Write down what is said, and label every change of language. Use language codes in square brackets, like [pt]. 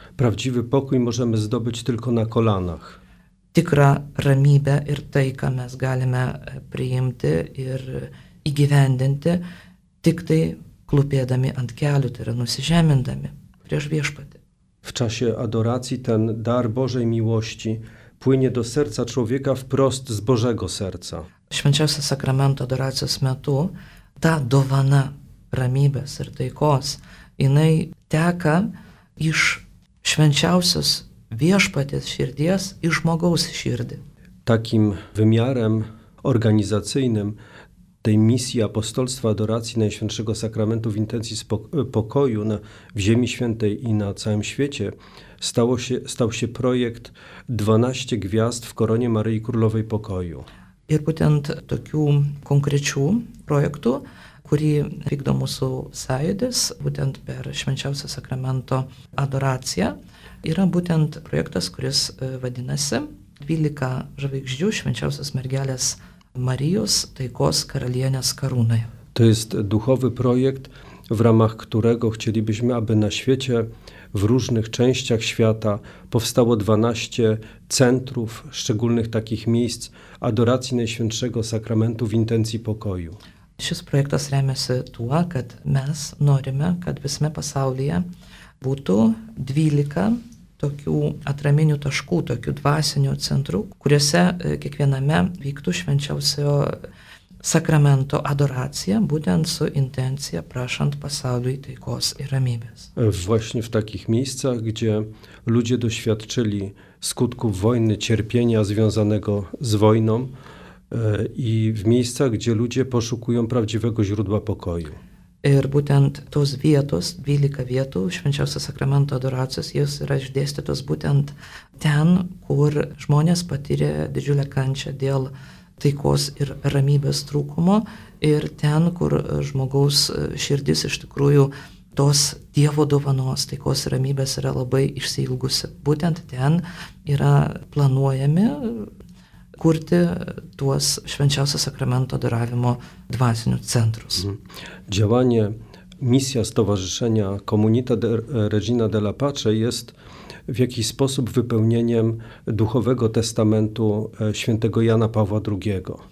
[pl] Prawdziwy pokój możemy zdobyć tylko na kolanach. [lt] Tikra ramybė ir tai, ką mes galime priimti ir įgyvendinti, tik tai klupėdami ant kelių, tai yra nusižemindami prieš viešpatį. [pl] W czasie adoracji ten dar Bożej miłości płynie do serca człowieka wprost z Bożego serca. [lt] Švenčiausio sakramento adoracijos metu ta dovana ramybės ir taikos, jinai teka iš švenčiausios viešpatės širdies i žmogaus širdį. [pl] Takim wymiarem organizacyjnym tej misji apostolstwa adoracji Najświętszego Sakramentu w intencji pokoju na, w Ziemi Świętej i na całym świecie stał się projekt 12 gwiazd w koronie Maryi Królowej Pokoju. [lt] Ir būtent tokių konkrečių projektų, kurį vykdo mūsų sąjūdis, būtent per švenčiausio sakramento adoraciją, yra būtent projektas, kuris vadinasi 12 žvaigždžių švenčiausios mergelės Marijos taikos karalienės karūnai. [pl] To jest duchowy projekt, w ramach którego chcielibyśmy, aby na świecie w różnych częściach świata powstało 12 centrów szczególnych takich miejsc adoracji Najświętszego Sakramentu w intencji pokoju. [lt] Šis projektas remiasi tuo, kad mes norime, kad visame pasaulyje būtų 12 tokių atraminių taškų, tokių dvasinių centrų, kuriuose kiekviename vyktų švenčiausio sakramento adoracija, būtent su intencija prašant pasauliui taikos ir ramybės. [pl] Właśnie w takich miejscach, gdzie ludzie doświadczyli skutków wojny, cierpienia związanego z wojną, i w miejscach, gdzie ludzie poszukują prawdziwego źródła pokoju. [lt] Ir būtent tos vietos, 12 vietų švenčiausio sakramento adoracijos, jos yra išdėstytos būtent ten, kur žmonės patyrė didžiulę kančią dėl taikos ir ramybės trūkumo ir ten, kur žmogaus širdis iš tikrųjų tos Dievo dovanos, taikos ir ramybės yra labai išsiilgusi. Būtent ten yra planuojami kurti tuos švenčiausio sakramento adoravimo dvasinių centrus. [pl] Działanie, misja stowarzyszenia Comunità Regina della Pace jest w jakiś sposób wypełnieniem duchowego testamentu świętego Jana Pawła II.